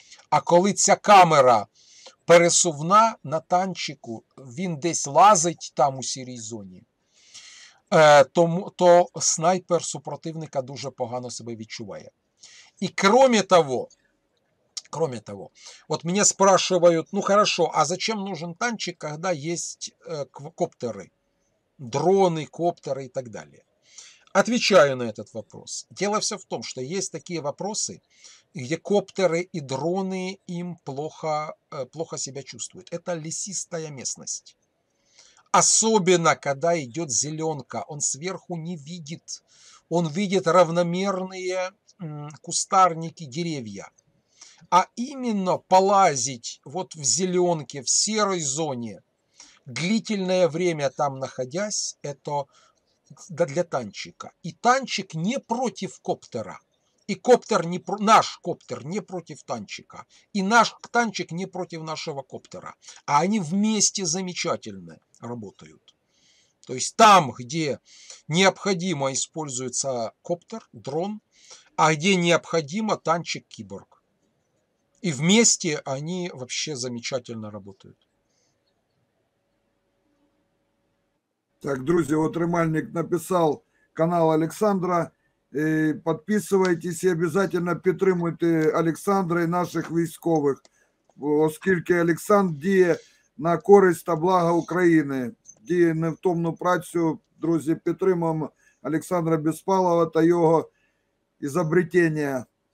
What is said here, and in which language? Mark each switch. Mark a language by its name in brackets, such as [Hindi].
[Ukrainian] А коли ця камера пересувна на танчику, він десь лазить там у сірій зоні, то снайпер супротивника дуже погано себе відчуває. І крім того, от мене спрашивають, [Russian] ну хорошо, а зачем нужен танчик, когда есть [Ukrainian] коптери, дрони, коптери і так далі. [Russian] Отвечаю на этот вопрос. Дело все в том, что есть такие вопросы, где коптеры и дроны им плохо себя чувствуют. Это лесистая местность. Особенно, когда идет зеленка, он сверху не видит. Он видит равномерные кустарники, деревья. А именно полазить вот в зеленке, в серой зоне, длительное время там находясь, это для танчика. И танчик не против коптера. И коптер не наш коптер не против танчика. И наш танчик не против нашего коптера. А они вместе замечательно работают. То есть там, где необходимо используется коптер, дрон, а где необходимо танчик-киборг. И вместе они вообще замечательно работают. [Ukrainian] Так, друзі, от Ремальник написав канал Олександра. Підписуйтесь і обов'язково підтримуйте Олександра і наших військових, оскільки Олександр діє на користь та благо України. Діє невтомну працю. Друзі, підтримуємо Александра Беспалова та його изобретение.